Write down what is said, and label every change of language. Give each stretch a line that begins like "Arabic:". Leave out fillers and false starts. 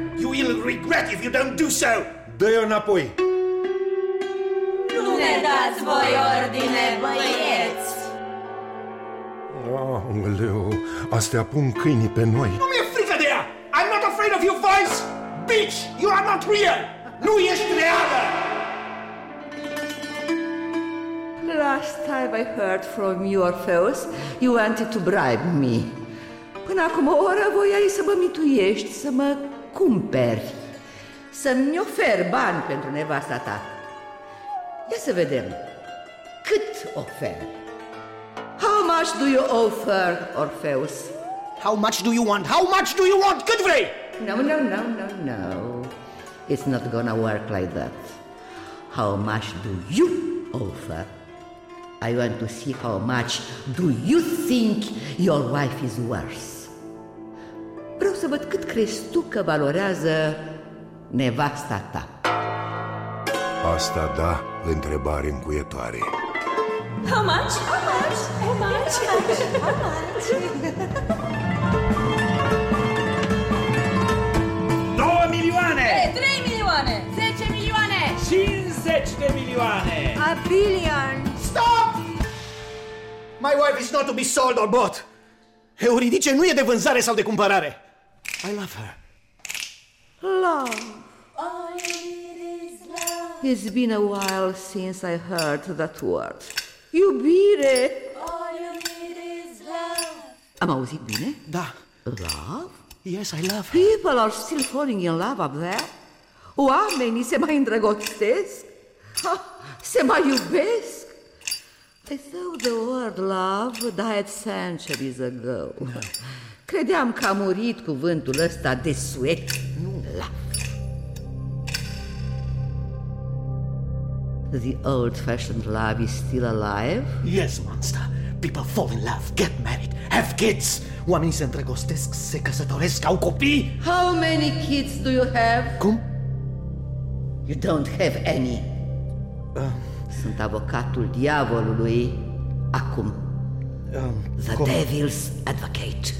English: You will regret if you don't do so.
Romanian: Dă-i-o înapoi. Nu ne dați voi ordine, băieți. Aoleu, astea pun câinii pe noi. Nu mi-e frică de ea.
English: I'm not afraid of your voice. Bitch, you are not real.
Romanian: Nu ești reală.
English: Last time I heard from you, Orpheus, you wanted to bribe me.
Romanian: Până acum o oră voiai să mă mituiești, să mă cumperi, să-mi oferi bani pentru nevasta ta. Ia să vedem, cât oferi?
English: How much do you offer, Orpheus? How much do you want? How much do you want?
Romanian: Cât vrei?
English: No. It's not gonna work like that. How much do you offer? I want to see how much do you think your wife is worth.
Romanian: să văd cât crezi tu că valorează nevasta ta. Asta da, întrebare încuietoare.
English: How much? How much? How much? How much?
Romanian: 2 milioane! 3 milioane! 10 milioane! 50 de milioane!
English: A billion! Stop! My wife is not to be sold or bought!
Romanian: Euridice nu e de vânzare sau de cumpărare!
English: I love her! Love! All you need is love! It's been a while since I heard that word.
Romanian: Iubire!
English: All you need is love!
Romanian: Am auzit bine? Da!
English: Love? Yes, I love her! People are still falling in love up there!
Romanian: Oamenii se mai îndrăgostesc! Se mai iubesc!
English: I thought the word love died centuries ago. No.
Romanian: Credeam că a murit cuvântul ăsta de suet. Nu, love.
English: The old-fashioned love is still alive? Yes, monster. People fall in love, get married, have kids.
Romanian: Oamenii se îndrăgostesc, se căsătoresc, au copii.
English: How many kids do you have?
Romanian: Cum?
English: You don't have any.
Romanian: Sunt avocatul diavolului acum.
English: Devil's advocate.